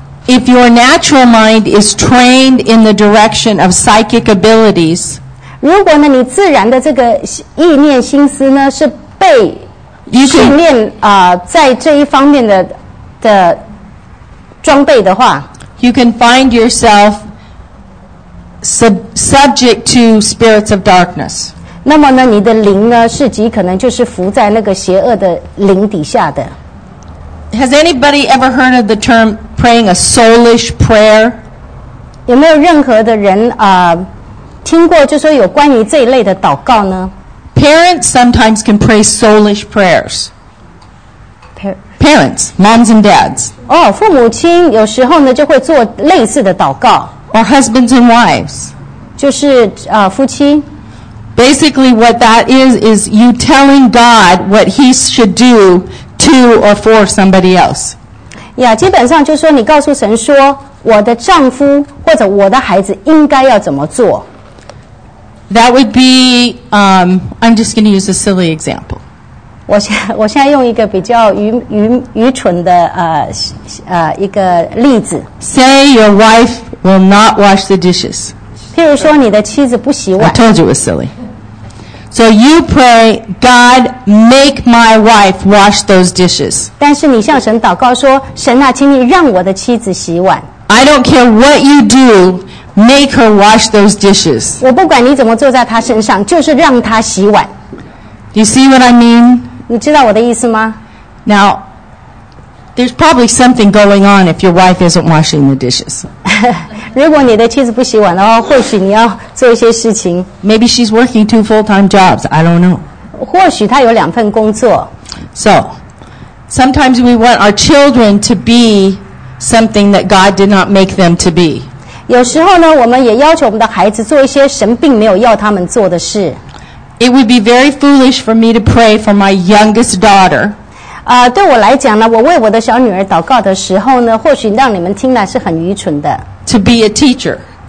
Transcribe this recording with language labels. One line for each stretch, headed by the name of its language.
English: If your natural mind is trained in the direction of psychic abilities,
Chinese: 如果呢，你自然的这个意念心思呢，是被训练在这一方面的装备的话
English: ，You can find yourself. Subject to spirits of darkness.
Chinese: 那么呢，你的灵呢，是极可能就是伏在那个邪恶的灵底下的。
English: Has anybody ever heard of the term praying a soulish prayer?
Chinese: 有没有任何的人听过，就说有关于这一类的祷告呢
English: ？Parents sometimes can pray soulish prayers. Parents, moms and dads.
Chinese: 哦，父母亲有时候呢就会做类似的祷告。
English: Or husbands and wives.
Chinese: 就是夫妻。
English: Basically what that is you telling God what he should do to or for somebody else.
Chinese: Yeah, 基本上就是说你告诉神说我的丈夫或者我的孩子应该要怎么做。
English: That would be, I'm just going to use a silly example.
Chinese: 我现在用一个比较愚蠢的一个例子。
English: Say your wife will not wash the dishes.
Chinese: 譬如说你的妻子不洗碗。
English: I told you it was silly. So you pray, God, make my wife wash those dishes.
Chinese: 但是你向神祷告说，神啊，请你让我的妻子洗碗。
English: I don't care what you do, make her wash those dishes.
Chinese: 我不管你怎么坐在她身上，就是让她洗碗。
English: You see what I mean?
Chinese: 你知道我的意思吗？
English: Now, there's probably something going on if your wife isn't washing the dishes.
Chinese: 如果你的妻子不洗碗的话，或许你要做一些事情。
English: Maybe she's working two full-time jobs. I don't know.
Chinese: 或许她有两份工作。
English: So, sometimes we want our children to be something that God did not make them to be.
Chinese: 有时候呢，我们也要求我们的孩子做一些神并没有要他们做的事。
English: It would be very foolish for me to pray for my youngest daughter.
Chinese: 对我来讲呢，我为我的小女儿祷告的时候呢，或许让你们听来是很愚蠢的。
English: To be a teacher.